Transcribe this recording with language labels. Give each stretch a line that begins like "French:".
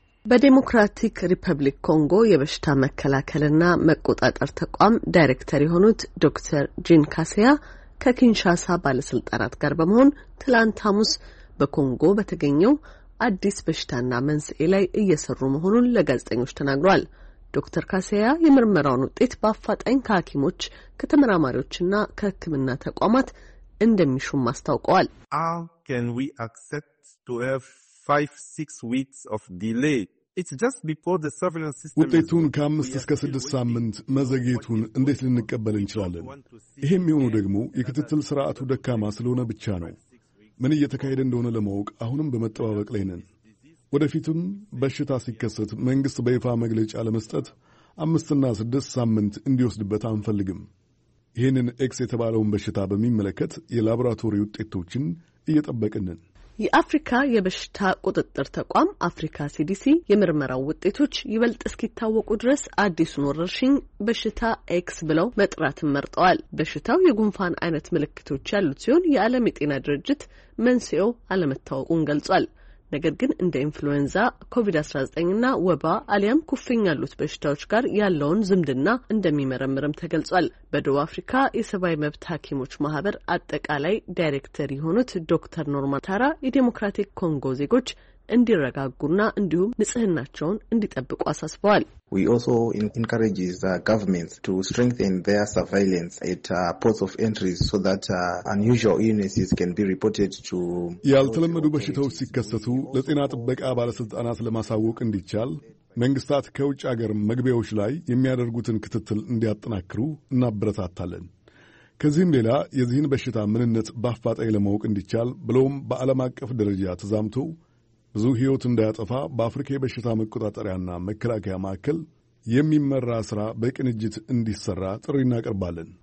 Amharic: በዲሞክራቲክ ሪፐብሊክ ኮንጎ የበሽታ መከላከልና መቆጣጠር ተቋም ዳይሬክተር የሆኑት ዶክተር ጂን ካሲያ ከኪንሻሳ ባለስልጣናት ጋር በመሆን ትላንት ሐሙስ በኮንጎ በተገኘው አዲስ በሽታና መንስኤ ላይ እየሰሩ መሆኑን ለጋዜጠኞች ተናግሯል። ዶክተር ካሲያ የምርመራውን ውጤት በአፋጣኝ ከሐኪሞች፣ ከተመራማሪዎችና ከሕክምና ተቋማት እንደሚሹም አስታውቀዋል።
English: How can we accept to have 5-6 weeks of delay? It's just before the surveillance system.
Amharic: ውጤቱን ከ5-6 ሳምንት መዘግየቱን እንዴት ልንቀበል እንችላለን? ይህም የሆነው ደግሞ የክትትል ስርዓቱ ደካማ ስለሆነ ብቻ ነው። ምን እየተካሄደ እንደሆነ ለማወቅ አሁንም በመጠባበቅ ላይ ነን። ወደፊትም በሽታ ሲከሰት መንግስት በይፋ መግለጫ ለመስጠት 5-6 ሳምንት እንዲወስድበት አንፈልግም። ይህንን ኤክስ የተባለውን በሽታ በሚመለከት የላብራቶሪ ውጤቶችን እየጠበቅንን። የአፍሪካ የበሽታ ቁጥጥር ተቋም አፍሪካ ሲዲሲ የምርመራው ውጤቶች ይበልጥ እስኪታወቁ ድረስ አዲሱን ወረርሽኝ በሽታ ኤክስ ብለው መጥራትን መርጠዋል። በሽታው የጉንፋን አይነት ምልክቶች ያሉት ሲሆን የዓለም የጤና ድርጅት መንስኤው አለመታወቁን ገልጿል። ነገር ግን እንደ ኢንፍሉዌንዛ፣ ኮቪድ-19 እና ወባ አሊያም ኩፍኝ ያሉት በሽታዎች ጋር ያለውን ዝምድና እንደሚመረምርም ተገልጿል። በደቡብ አፍሪካ የሰብአዊ መብት ሐኪሞች ማህበር አጠቃላይ ዳይሬክተር የሆኑት ዶክተር ኖርማ ታራ የዴሞክራቲክ ኮንጎ ዜጎች እንዲረጋጉና እንዲሁም ንጽህናቸውን እንዲጠብቁ አሳስበዋል።
English: We also encourage the governments to strengthen their surveillance at ports of entry so that unusual illnesses can be reported to
Amharic: ያልተለመዱ በሽታዎች ሲከሰቱ ለጤና ጥበቃ ባለስልጣናት ለማሳወቅ እንዲቻል መንግስታት ከውጭ ሀገር መግቢያዎች ላይ የሚያደርጉትን ክትትል እንዲያጠናክሩ እናበረታታለን። ከዚህም ሌላ የዚህን በሽታ ምንነት በአፋጣኝ ለማወቅ እንዲቻል ብሎም በዓለም አቀፍ ደረጃ ተዛምቶ ብዙ ህይወት እንዳያጠፋ በአፍሪካ የበሽታ መቆጣጠሪያና መከላከያ ማዕከል የሚመራ ስራ በቅንጅት እንዲሰራ ጥሪ እናቀርባለን።